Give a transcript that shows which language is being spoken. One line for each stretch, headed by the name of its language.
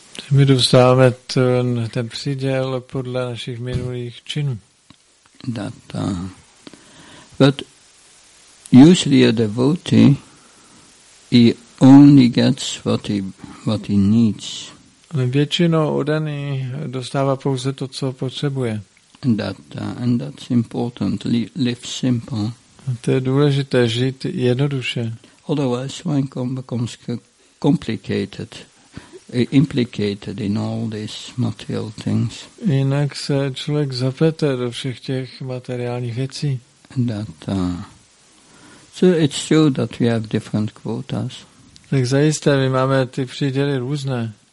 Czech: My dostáváme ten příděl podle našich minulých činů.
English: That, but usually a devotee, he only gets what he needs.
Czech: Většinou oddaný dostává pouze to, co potřebuje.
English: And that's important. Live simple.
Czech: To je důležité, žít jednoduše.
English: Otherwise one becomes complicated, implicated in all these material things.
Czech: Jinak se člověk zapete do všech těch materiálních věcí.
English: So it's true that we have different quotas.
Czech: Tak zajisté, my máme ty příděly různé.